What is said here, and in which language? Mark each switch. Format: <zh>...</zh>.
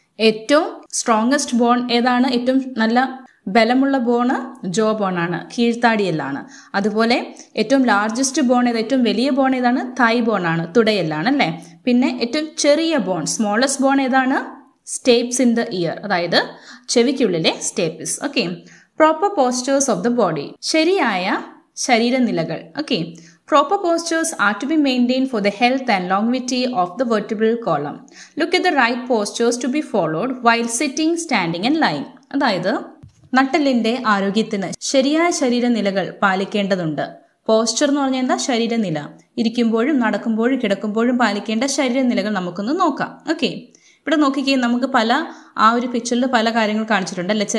<ml>ഏറ്റവും strongest bone ഏതാണ്? ഏറ്റവും നല്ല ബലമുള്ള ബോണ് ജോ ബോണാണ്, കീഴ്ത്താടിയെല്ലാണ്. അതുപോലെ ഏറ്റവും ലാർജസ്റ്റ് ബോൺ ഏത്, ഏറ്റവും വലിയ ബോൺ ഏതാണ്? തൈ ബോണാണ്, തുടയെല്ലാണ് അല്ലേ. പിന്നെ ഏറ്റവും ചെറിയ ബോൺ, സ്മോളസ്റ്റ് ബോൺ ഏതാണ്?</ml> <en>stapes in the ear,</en> <ml>അതായത് ചെവിക്കുള്ളിലെ stapes.</ml> <en>Okay, proper postures of the body.</en> <ml>ശരിയായ ശരീരനിലകൾ.</ml> <en>Okay, proper postures are to be maintained for the health and longevity of the vertebral column. Look at the right postures to be followed while sitting, standing and lying.</en> <ml>അതായത് നട്ടെല്ലിന്റെ ആരോഗ്യത്തിന് ശരിയായ ശരീരനിലകൾ പാലിക്കേണ്ടതുണ്ട്. Posture എന്ന് പറഞ്ഞാൽ എന്താ? ശരീരനില. ഇരിക്കുമ്പോഴും നടക്കുമ്പോഴും കിടക്കുമ്പോഴും പാലിക്കേണ്ട ശരീരനിലകൾ നമുക്കൊന്ന് നോക്കാം. ഓക്കെ, ഇവിടെ നോക്കിക്കേ, നമുക്ക് പല ആ ഒരു പിക്ചറിൽ പല കാര്യങ്ങൾ കാണിച്ചിട്ടുണ്ട് അല്ലെ.</ml>